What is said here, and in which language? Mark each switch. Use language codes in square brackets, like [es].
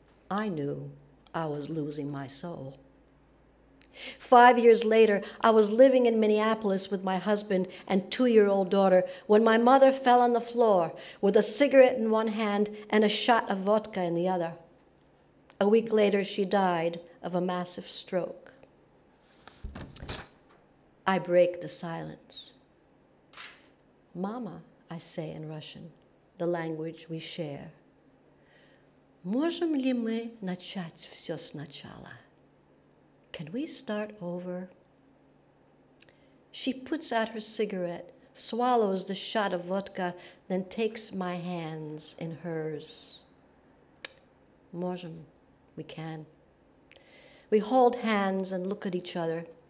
[en] I knew I was losing my soul. 5 years later, I was living in Minneapolis with my husband and 2-year-old daughter when my mother fell on the floor with a cigarette in one hand and a shot of vodka in the other. A week later, she died of a massive stroke. I break the silence. "Mama," I say in Russian, the language we share. [ru] "Можем ли мы начать все сначала?" [en] Can we start over? She puts out her cigarette, swallows the shot of vodka, then takes my hands in hers. [ru] Можем, [en] we can. We hold hands and look at each other.